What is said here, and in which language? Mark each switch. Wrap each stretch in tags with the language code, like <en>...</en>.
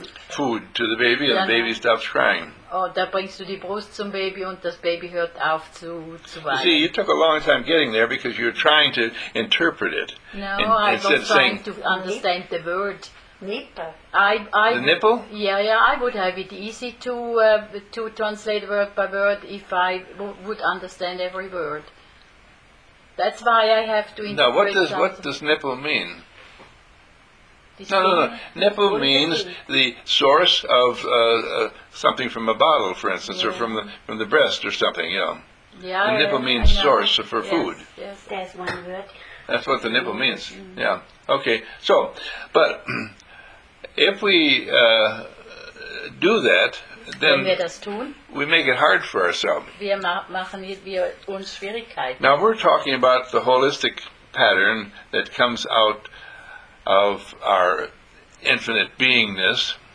<en>food to the baby and the baby stops crying.</en> <de>Oh, da bringst du die Brust zum Baby und das Baby hört auf zu weinen.</de> <en>See, you took a long time getting there because you're trying to interpret it. No, I was trying to understand the word. Nipple. I the nipple? Yeah, I would have it easy to translate word by word if I would understand every word. That's why I have to interpret. Now, what does nipple mean? No. Nipple means the source of something from a bottle, for instance, or from the breast or something, you know. Yeah. The nipple means source for food. Yes, that's one word. That's what the nipple means. Mm. Yeah. Okay. So, but if we do that, then</en> <de>wir das tun,</de> <en>we make it hard for ourselves.</en> <de>Wir uns Schwierigkeiten.</de> <en>Now we're talking about the holistic pattern that comes out of our infinite beingness.</en>